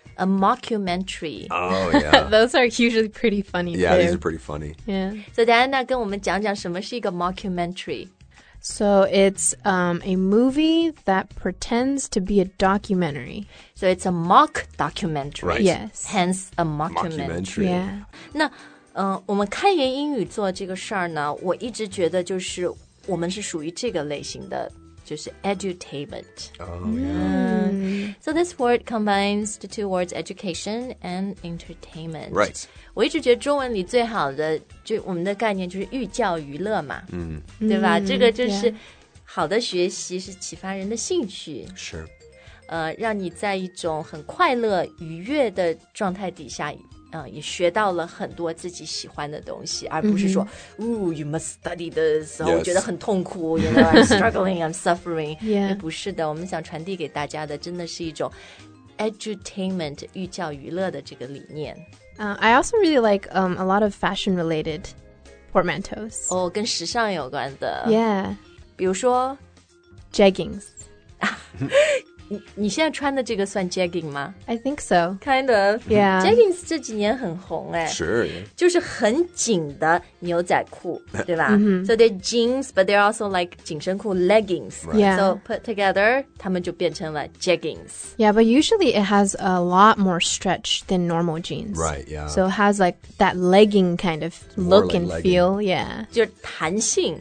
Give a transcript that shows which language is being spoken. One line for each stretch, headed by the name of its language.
English: A mockumentary. Oh, yeah. Those are usually pretty funny, yeah, too. Yeah, these are pretty funny. Yeah. So, Diana,
Chinese: 跟我们讲讲什么是一个 mockumentary?
English: So, it's、a movie that pretends to be a documentary. So, it's a mock documentary. Right. Yes. Hence, a mockumentary. Yeah.
Chinese: 那、我们开言英语做这个事儿呢，我一直觉得就是我们是属于这个类型的。就是 edutainment.
English: Oh, yeah. Mm. So this word combines the two words education and entertainment. Right.
Chinese: 我一直觉得中文里最好的就我们的概念就是寓教于乐嘛、 mm. 对吧、mm. 这个就是好的学习是启发人的兴趣。
English: Sure.
Chinese: 让你在一种很快乐愉悦的状态底下也学到了很多自己喜欢的东西而不是说、mm-hmm.
English: Ooh, you must study this、 yes.
Chinese: 我觉得很痛苦
English: you know, I'm struggling, I'm suffering、 yeah.
Chinese: 不是的我们想传递给大家的真的是一种 edutainment 寓教于乐的这个理念、
English: I also really like、a lot of fashion related portmanteaus
Chinese: 哦、跟时尚有关的
English: Yeah
Chinese: 比如说
English: Jeggings
Chinese: 你现在穿的这个算 jegging 吗
English: I think so Kind of Yeah
Chinese: Jeggings 这几年很红哎
English: Sure
Chinese: 就是很紧的牛仔裤对吧、 mm-hmm.
English: So they're jeans But they're also like 紧身裤 leggings、 right. Yeah So put together
Chinese: 他们就变成了 jeggings
English: Yeah but usually it has a lot more stretch than normal jeans Right yeah So it has like that legging kind of look、like、and、legging. feel Yeah
Chinese: 就是弹性